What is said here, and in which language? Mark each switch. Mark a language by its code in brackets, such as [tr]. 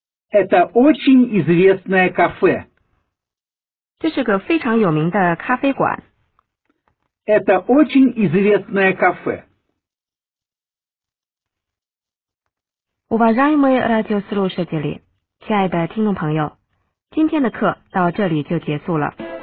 [ru] Это очень известное кафе. [zh] 这是个非常有名的咖啡馆。 [ru] Это очень известное кафе. Уважаемые радиослушатели, [zh] 亲爱的听众朋友，今天的课到这里就结束了。